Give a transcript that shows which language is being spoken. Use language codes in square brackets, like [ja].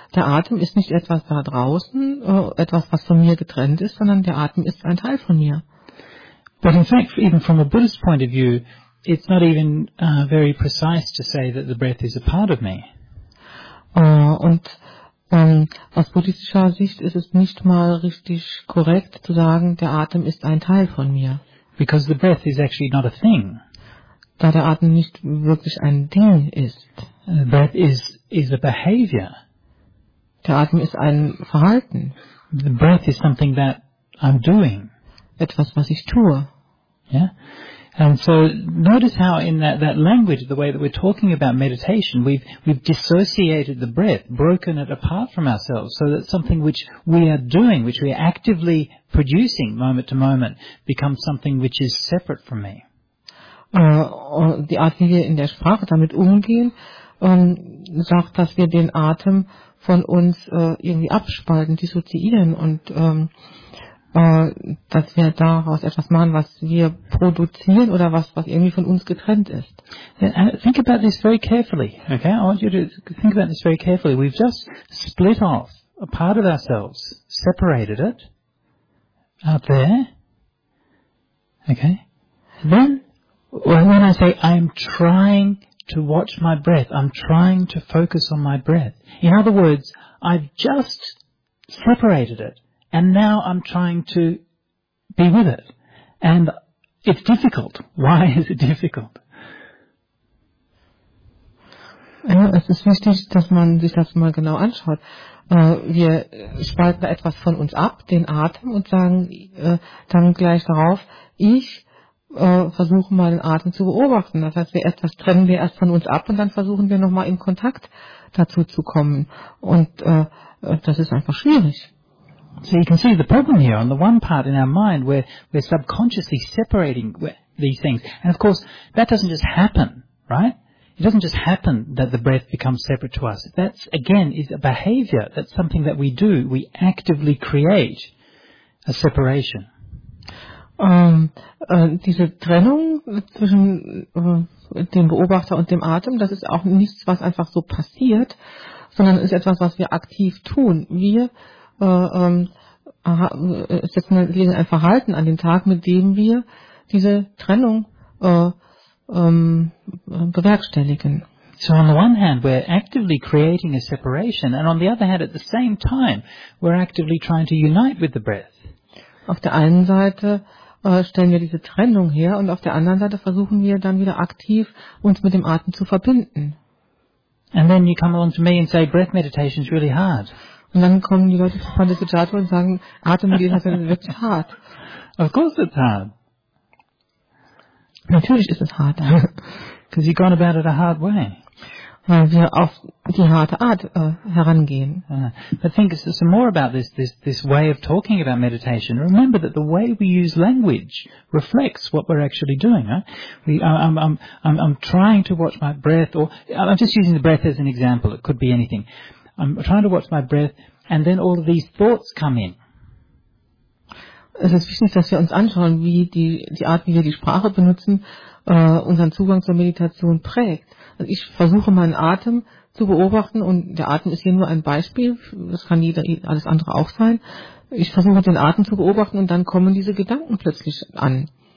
[de] Der Atem ist nicht etwas da draußen, etwas, was von mir getrennt ist, sondern der Atem ist ein Teil von mir. [en] But in fact, even from a Buddhist point of view, it's not even very precise to say that the breath is a part of me. [de] Aus buddhistischer Sicht ist es nicht mal richtig korrekt zu sagen, der Atem ist ein Teil von mir. [en] Because the breath is actually not a thing. [de] Da der Atem nicht wirklich ein Ding ist. [en] The breath is a behavior. [de] Der Atem ist ein Verhalten. [en] The breath is something that I'm doing. [de] Etwas, was ich tue. [en] Yeah. And so notice how in that language, the way that we're talking about meditation, we've dissociated the breath, broken it apart from ourselves, so that something which we are doing, which we are actively producing moment to moment, becomes something which is separate from me. [de] Die Art, wie wir in der Sprache damit umgehen, sagt, dass wir den Atem von uns irgendwie abspalten, dissoziieren und dass wir daraus etwas machen, was wir produzieren oder was irgendwie von uns getrennt ist. [en] Think about this very carefully, okay? I want you to think about this very carefully. We've just split off a part of ourselves, separated it out there, okay? When I say I'm trying to watch my breath, I'm trying to focus on my breath. In other words, I've just separated it. And now I'm trying to be with it. And it's difficult. Why is it difficult? [de] Ja, es ist wichtig, dass man sich das mal genau anschaut. wir spalten etwas von uns ab, den Atem, und sagen dann gleich darauf, ich versuche mal den Atem zu beobachten. Das heißt, etwas trennen wir erst von uns ab und dann versuchen wir nochmal in Kontakt dazu zu kommen. Und das ist einfach schwierig. [en] So you can see the problem here on the one part in our mind where we're subconsciously separating these things. And of course, that doesn't just happen, right? It doesn't just happen that the breath becomes separate to us. That's, again, is a behavior. That's something that we do. We actively create a separation. [de] Diese Trennung zwischen dem Beobachter und dem Atem, das ist auch nichts, was einfach so passiert, sondern ist etwas, was wir aktiv tun. Wir setzen ein Verhalten an den Tag, mit dem wir diese Trennung bewerkstelligen. [en] So on the one hand, we're actively creating a separation, and on the other hand, at the same time, we're actively trying to unite with the breath. [de] Auf der einen Seite stellen wir diese Trennung her und auf der anderen Seite versuchen wir dann wieder aktiv uns mit dem Atem zu verbinden. [en] And then you come along to me and say, breath meditation is really hard. [de] Und dann kommen die Leute zu Pandesuchatu und sagen, Atemmeditation ist wirklich hart. [en] Of course it's hard. [de] Natürlich ist es hart. [en] Because you've gone about it a hard way. [de] Weil wir auf die harte Art herangehen. [en] But think some more about this way of talking about meditation. Remember that the way we use language reflects what we're actually doing. Right? I'm trying to watch my breath, or I'm just using the breath as an example. It could be anything. I'm trying to watch my breath, and then all of these thoughts come in. [de] Es ist wichtig, dass wir uns anschauen, wie die Art, wie wir die Sprache benutzen, unseren Zugang zur Meditation prägt. Also ich versuche meinen Atem zu beobachten und der Atem ist hier nur ein Beispiel, das kann jeder, alles andere auch sein. Ich versuche den Atem zu beobachten und dann kommen diese Gedanken plötzlich an.